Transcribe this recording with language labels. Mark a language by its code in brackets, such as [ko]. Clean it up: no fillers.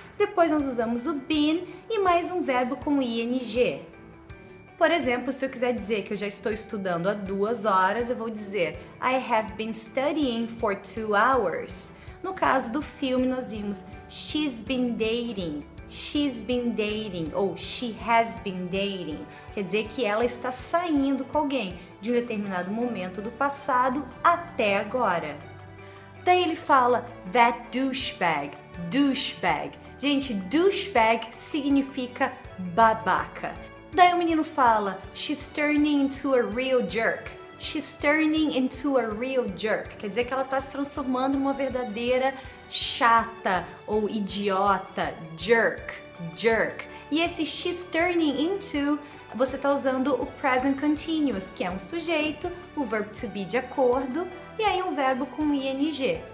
[pt] Depois nós usamos o been e mais um verbo com ing. Por exemplo, se eu quiser dizer que eu já estou estudando há 2 horas, eu vou dizer [en] I have been studying for 2 hours. [pt] No caso do filme, nós vimos [en] she's been dating, she's been dating ou she has been dating. [pt] Quer dizer que ela está saindo com alguém de um determinado momento do passado até agora. Daí ele fala [en] that douchebag, douchebag. [pt] Gente, douchebag significa babaca. Daí o menino fala [en] she's turning into a real jerk. She's turning into a real jerk. [pt] Quer dizer que ela está se transformando numa verdadeira chata ou idiota. Jerk, jerk. E esse [en] she's turning into, [pt] você está usando o present continuous, que é um sujeito, o verb to be de acordo, e aí um verbo com ing.